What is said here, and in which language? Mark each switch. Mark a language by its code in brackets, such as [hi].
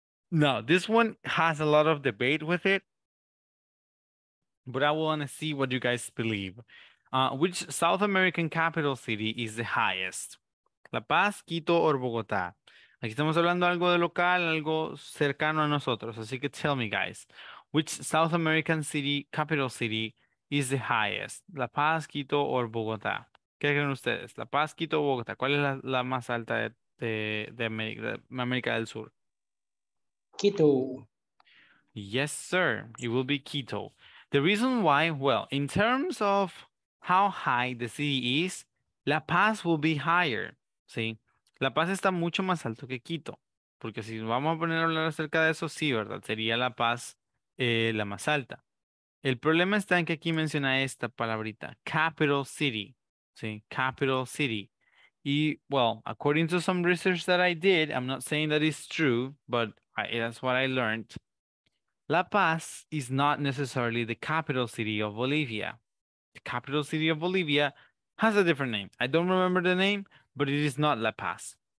[en] Now, this one has a lot of debate with it, but I want to see what you guys believe. Which South American capital city is the highest? La Paz, Quito, or Bogotá? [es] Aquí estamos hablando algo de local, algo cercano a nosotros. Así que [en] tell me, guys, which South American city capital city is the highest? [es] La Paz, Quito, [en] or [es] Bogotá? ¿Qué creen ustedes? La Paz, Quito, o Bogotá. ¿Cuál es la más alta de América del Sur? Quito. [en] Yes, sir. It will be Quito. The reason why, well, in terms of how high the city is, La Paz will be higher. [es] ¿Sí? La Paz está mucho más alto que Quito. Porque si vamos a poner a hablar acerca de eso, sí, ¿verdad? Sería La Paz la más alta. El problema está en que aquí menciona esta palabrita, capital city. ¿Sí? Capital city. [en] Y, well, according to some research that I did, I'm not saying that it's true, but that's what I learned. La Paz is not necessarily the capital city of Bolivia. The capital city of Bolivia has a different name. I don't remember the name, but it is not La Paz.